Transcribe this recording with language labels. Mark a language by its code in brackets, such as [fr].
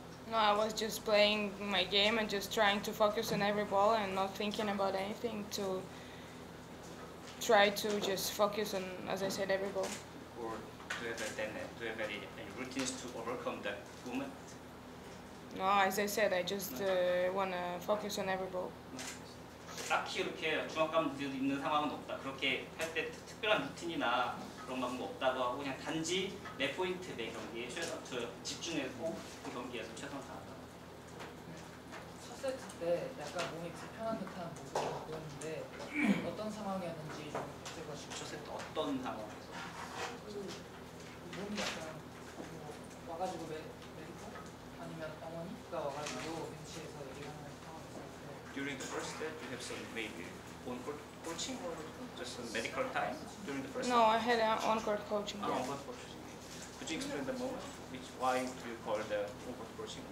[en] No, I was just playing my game and just trying to focus on every ball and not thinking about anything to try to just focus on, as I said, every ball. Or do you have any routines to overcome that moment? No, as I said, I just want to focus on every ball. [ko] 딱히 이렇게 중압감들 있는 상황은 없다. 그렇게 할 때 특별한 루틴이나 그런 방법 없다고 하고 그냥 단지 내 포인트 내 경기에 최선 집중해서 그 경기에서 최선을 다한다. 첫 세트 때 약간 몸이 불편한 듯한 모습을 보였는데 어떤 상황이었는지 좀 여쭤봐 주시면. 첫 세트 어떤 상황에서? 몸이 약간 뭐 와가지고 메디코 아니면 어머니가 와가지고 벤치에서 얘기를 하는 [en] During the first day, you have some maybe on-court coaching or just some medical time during the first No, I had on-court coaching. Oh, on-court coaching. Could you explain the moment? Why do you call the on-court coaching?